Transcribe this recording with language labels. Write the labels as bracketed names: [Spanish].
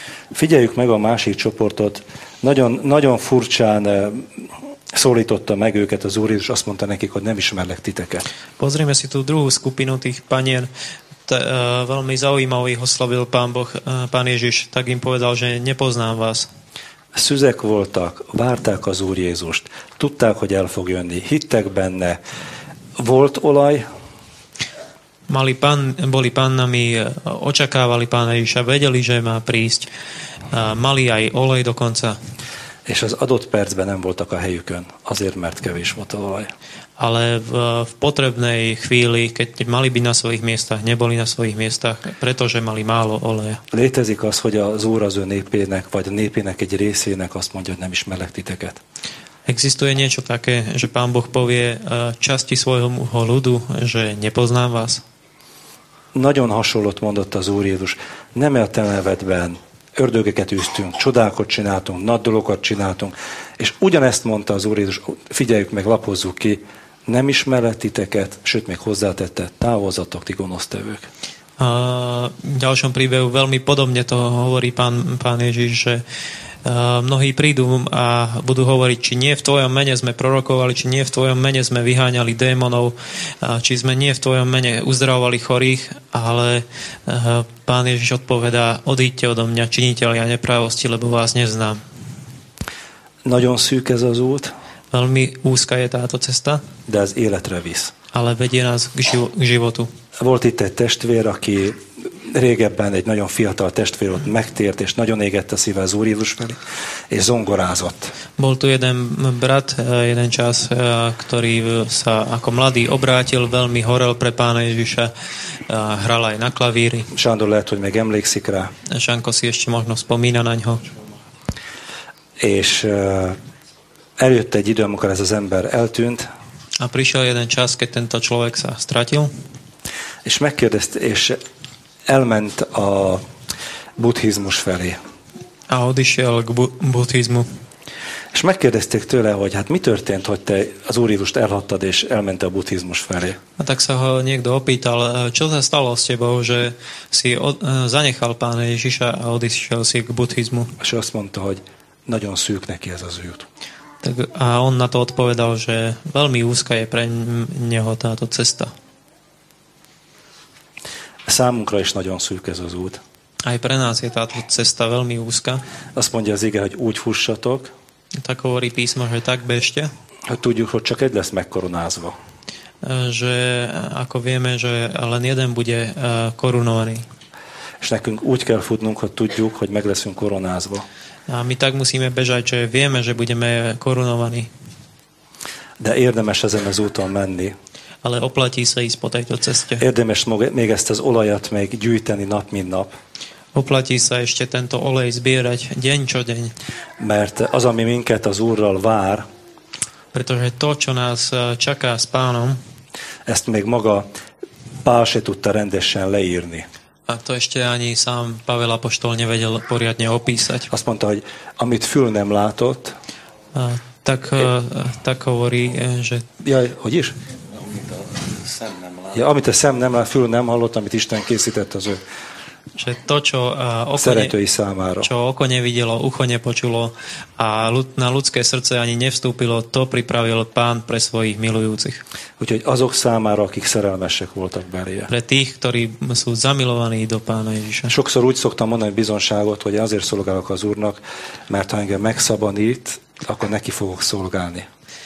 [Hungarian] Figyeljük meg a másik csoportot. Nagyon, nagyon furcsán szólította meg őket az Úr Jézus, azt mondta nekik, hogy nem ismerlek titeket. [Slovak] Pozrime si tú druhú skupinu tých panien. Veľmi zaujímavý ich oslovil Pán Boh, Pán Ježiš, tak im povedal, že nepoznám vás. [Hungarian] Szüzek voltak, várták az Úr Jézust, tudták, hogy el fog jönni, hittek benne. Volt olaj. [Slovak] Boli pannami, očakávali Pána Ježiša, vedeli, že má prísť. Mali aj olej dokonca. [Hungarian] És az adott percben nem voltak a helyükön, azért, mert kevés volt olaj. [Slovak] Ale v potrebnej chvíli, keď mali byť na svojich miestach, neboli na svojich miestach, pretože mali málo oleja. [Hungarian] Létezik az, hogy az Úr az ő népének, vagy a népének egy részének azt mondja, hogy nem ismerlek titeket. [Slovak] Existuje niečo také, že Pán Boh povie časti svojho ľudu, že nepoznám vás? [Hungarian] Nagyon hasonlót mondott az Úr Jézus. Nem a te nevedben ördögeket üztünk, csodákat csináltunk, nagy dolgokat csináltunk, és ugyanezt mondta az Úr Jézus, figyeljük meg, lapozzuk ki, nem ismerlek titeket, sőt még hozzátette, távozzatok ti gonosztevők. [Slovak] A ďalšom príbehu veľmi podobne to hovorí pán Ježiš, že mnohí prídu a budú hovoriť, či nie v tvojom mene sme prorokovali, či nie v tvojom mene sme vyháňali démonov, či sme nie v tvojom mene uzdravovali chorých, ale Pán Ježiš odpovedá, odíďte odo mňa, činitelia nepravosti, lebo vás neznám. [Hungarian] Nagyon szűk ez az út. [Slovak] Veľmi úzka je táto cesta. [Hungarian] De ez életre visz. [Slovak] Ale vedie nás k životu. [Hungarian] Volt itt egy testvér, aki régebben egy nagyon fiatal testvér ott megtért, és nagyon égett a szíve az Úr Jézus felé, és zongorázott. [Slovak] Bol tu jeden brat, jeden čas, ktorý sa ako mladý obrátil, veľmi horel pre Pána Ježiša, hral aj na klavíri. [Hungarian] Sándor lehet, hogy meg emlékszik rá. [Slovak] Sánko si ešte možno spomína na ňo. [Hungarian] És eljött egy idő, amikor ez az ember eltűnt. [Slovak] A prišiel jeden čas, keď tento človek sa stratil. [Hungarian] És megkérdezte, és elment a buddhizmus felé. [Slovak] A odišiel k buddhizmu. [Hungarian] És megkérdezték tőle, hogy hát mi történt, hogy te az Úr Jézust elhattad, és elment a buddhizmus felé. [Slovak] A tak sa ho niekto opýtal, čo sa stalo s tebou, že si zanechal Pána Ježiša a odišiel si k buddhizmu. [Hungarian] És azt mondta, hogy nagyon szűk neki ez az út. [Slovak] Tak a on na to odpovedal, že veľmi úzka je pre neho táto cesta. [Hungarian] Számunkra is nagyon szűk ez az út. [Slovak] Aj pre nás je táto cesta veľmi úzka. [Hungarian] Azt mondja az ige, hogy úgy fussatok. [Slovak] Tak hovorí písmo, že tak bežte. [Hungarian] Hogy tudjuk, hogy csak egy lesz megkoronázva. [Slovak] Že ako vieme, že len jeden bude korunovaný. [Hungarian] És nekünk úgy kell futnunk, hogy tudjuk, hogy meg leszünk koronázva. [Slovak] A my tak musíme bežať, že vieme, že budeme korunovaní. [Hungarian] De érdemes ezen az úton menni. [Slovak] Ale oplatí sa ísť po tejto ceste. [Hungarian] Érdemes még ezt az olajat még gyűjteni nap, mint nap. [Slovak] Oplatí sa ešte tento olej zbierať deň čo deň. [Hungarian] Mert az, ami minket az Úrral vár, [Slovak] pretože to, čo nás čaká s Pánom, [Hungarian] ezt még maga Pál se tudta rendesen leírni. [Slovak] A to ešte ani sám Pavel Apoštol nevedel poriadne opísať. [Hungarian] Azt mondta, hogy amit fül nem látott, [Slovak] tak hovorí, že... [Hungarian] Jaj, hogy is? Ja, amit a szem nem lát, fül nem hallott, amit Isten készített az ő. [Slovak] Že to, čo [Hungarian] szeretői számára. [Slovak] Čo oko nevidelo, ucho nepočulo a na ľudské srdce ani nevstúpilo, to pripravil Pán pre svojich milujúcich. [Hungarian] Úgyhogy azok számára, akik szerelmesek voltak belé. [Slovak] Pre tých, ktorí sú zamilovaní do Pána Ježiša. [Hungarian] Sokszor úgy szoktam mondani bizonságot, hogy azért szolgálok az Úrnak, mert ha engem megszabadít, akkor neki fogok szolgálni.